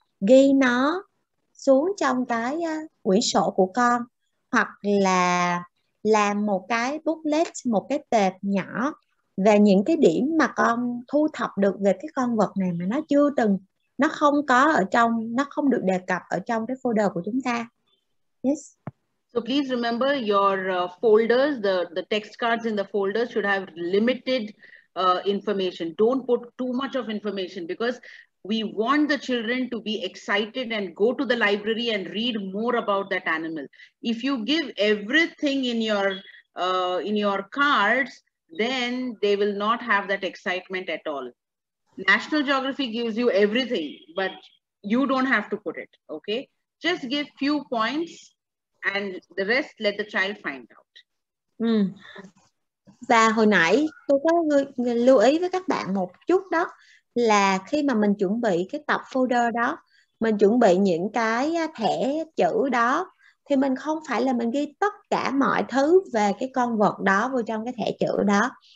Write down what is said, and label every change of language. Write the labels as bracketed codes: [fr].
[vi] ghi nó xuống trong cái quyển sổ của con, hoặc là làm một cái booklet, một cái tệp nhỏ về những cái điểm mà con thu thập được về cái con vật này mà nó chưa từng, nó không có ở trong, nó không được đề cập ở trong cái folder của chúng ta. [en] Yes. So please remember your folders, the text cards in the folders should have limited information. Don't put too much of information because we want the children to be excited and go to the library and read more about that animal. If you give everything in your cards, then they will not have that excitement at all. National Geography gives you everything, but you don't have to put it, okay? Just give few points and the rest let the child find out. [vi] Và hồi nãy tôi có lưu ý với các bạn một chút đó, là khi mà mình chuẩn bị cái tập folder đó, mình chuẩn bị những cái thẻ chữ đó, thì mình không phải là mình ghi tất cả mọi thứ về cái con vật đó vào trong cái thẻ chữ đó.